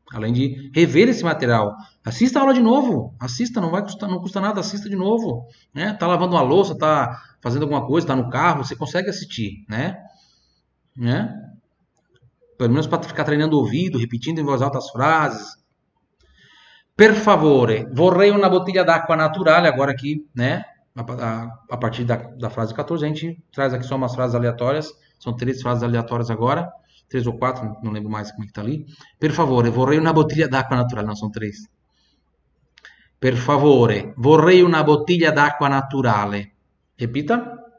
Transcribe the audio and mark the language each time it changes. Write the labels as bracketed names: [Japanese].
[Portuguese] Além de rever esse material, assista a aula de novo. Assista, não vai custar, não custa nada, assista de novo, né? Tá lavando uma louça, tá fazendo alguma coisa, tá no carro, você consegue assistir, né? Né? Pelo menos para ficar treinando o ouvido, repetindo em voz alta as frases. [Italian] Per favore, vorrei una bottiglia d'acqua naturale, [Portuguese] agora aqui, né? A partir da frase 14, a gente traz aqui só umas frases aleatórias. São três frases aleatórias agora. Três ou quatro, não lembro mais como é que tá ali. [Italian] Per favore, vorrei una bottiglia d'acqua naturale. [Portuguese] Não, são três. [Italian] Per favore, vorrei una bottiglia d'acqua naturale. [Portuguese] Repita.